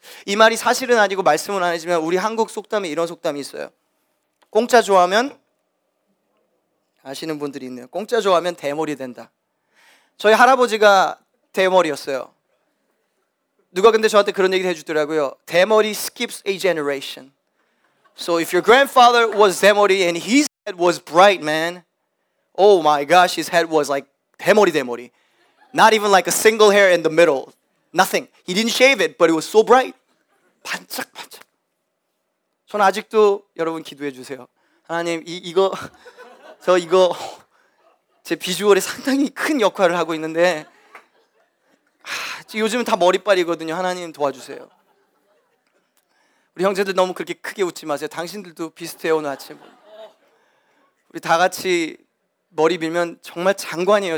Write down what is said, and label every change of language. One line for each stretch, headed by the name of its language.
Korean: 이 말이 사실은 아니고 말씀은 아니지만 우리 한국 속담에 이런 속담이 있어요. 공짜 좋아하면, 아시는 분들이 있네요. 공짜 좋아하면 대머리 된다. 저희 할아버지가 대머리였어요. 누가 근데 저한테 그런 얘기를 해주더라고요.
English: 대머리 skips a generation. So if your grandfather was 대머리 and his head was bright, man. Oh my gosh, his head was like 대머리 대머리. Not even like a single hair in the middle. Nothing. He didn't shave it, but it was so bright.
Korean: 반짝반짝. 저는 아직도 여러분 기도해 주세요. 하나님, 저 이거 제 비주얼에 상당히 큰 역할을 하고 있는데 요즘은 다 머리빨이거든요. 하나님 도와주세요. 우리 형제들 너무 그렇게 크게 웃지 마세요. 당신들도 비슷해요. 오늘 아침 우리 다 같이 머리 밀면 정말 장관이에요.